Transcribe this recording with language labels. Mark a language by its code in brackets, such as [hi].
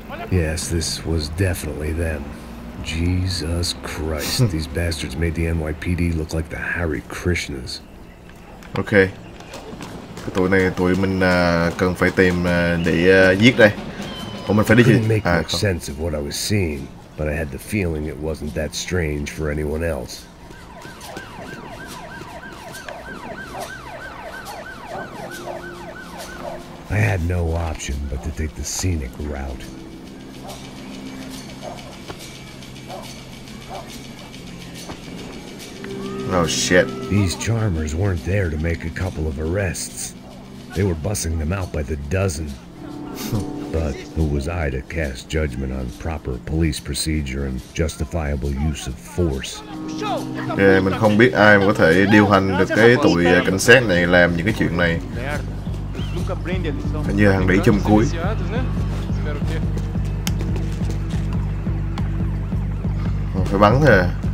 [en] Yes, this was definitely them. Jesus Christ, these bastards made the NYPD look like the Hare Krishnas. Okay. [vi] Cái tụi này tụi mình cần phải tìm để giết đây. Còn mình phải đi chứ. [en] Couldn't make much sense of what I was seeing, but I had the feeling it wasn't that strange for anyone else. I had no option but to take the scenic route. Oh shit. These charmers weren't there to make a couple of arrests. They were bussing them out by the dozen. But who was I to cast judgment on proper police procedure and justifiable use of force? [vi] Yeah, mình không biết ai mà có thể điều hành được cái tụi cảnh sát này làm những cái chuyện này. Hình như hàng đẩy châm cuối. Phải bắn thôi à.